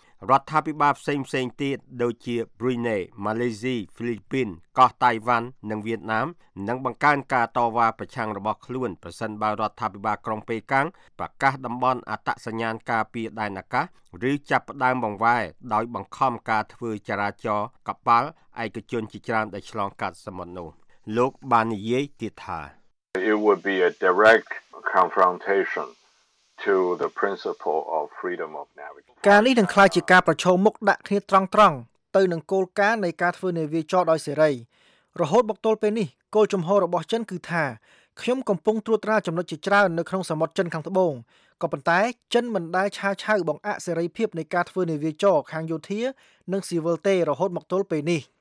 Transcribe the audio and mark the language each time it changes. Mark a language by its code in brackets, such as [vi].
[km] រដ្ឋាភិបាលផ្សេងៗទៀតដូចជា Brunei, Malaysia, Philippines, កោះតៃវ៉ាន់និងវៀតណាមនឹងបង្កើនការតវ៉ាប្រឆាំងរបស់ខ្លួនប្រសិនបើរដ្ឋាភិបាលក្រុងប៉េកាំងប្រកាសតំបន់អតសញ្ញាណការពារដែនអាកាសឬចាប់ផ្ដើមបង្វែរដោយបង្ខំការធ្វើចរាចរណ៍កប៉ាល់ឯកជនជាច្រើនដែលឆ្លងកាត់សមុទ្រនោះលោកបាននិយាយទៀតថា [en] It would be a direct confrontation to the principle of freedom of navigation. [km] ការនេះនឹងក្លាយជាការប្រឈមមុខដាក់គ្នាត្រង់ត្រង់ទៅនឹងគោលការណ៍នៃការធ្វើនាវាចរដោយសេរីរហូតមកទល់ពេលនេះគោលជំហររបស់ចិនគឺថាខ្ញុំកំពុងត្រួតត្រាចំណុចជាច្រើននៅក្នុងសមុទ្រចិនខាងត្បូងក៏ប៉ុន្តែចិនមិនដែលឆាឆៅបង្អាក់សេរីភាពនៃការធ្វើនាវាចរខាងយោធានិងស៊ីវិលទេរហូតមកទល់ពេលនេះ